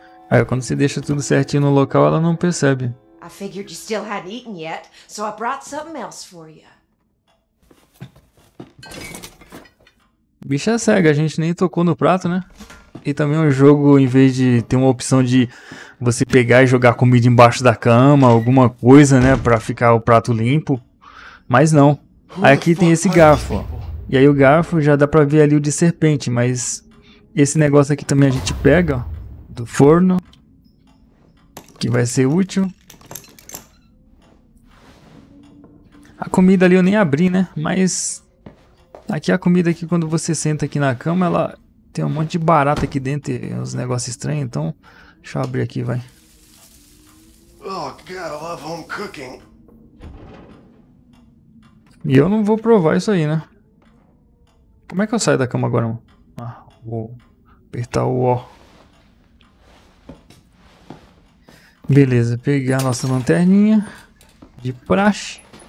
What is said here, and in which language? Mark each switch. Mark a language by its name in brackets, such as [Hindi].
[Portuguese] Aí quando você deixa tudo certinho no local, ela não percebe. [English] I figured you still hadn't eaten yet, so I brought something else for you. [Portuguese] Bicha cega, a gente nem tocou no prato, né? E também o jogo, em vez de ter uma opção de você pegar e jogar comida embaixo da cama, alguma coisa, né, pra ficar o prato limpo. Mas não. Aí aqui tem esse garfo, ó. E aí o garfo já dá pra ver ali o de serpente, mas esse negócio aqui também a gente pega, ó, do forno, que vai ser útil. A comida ali eu nem abri, né, mas aqui a comida aqui, quando você senta aqui na cama, ela... Tem um monte de barata aqui dentro, uns negócios estranhos, então deixa eu abrir aqui, vai. [English] Oh, God, I love home cooking. [Portuguese] E eu não vou provar isso aí, né? Como é que eu saio da cama agora, mano? Ah, vou apertar o O. Beleza, peguei a nossa lanterninha de praxe.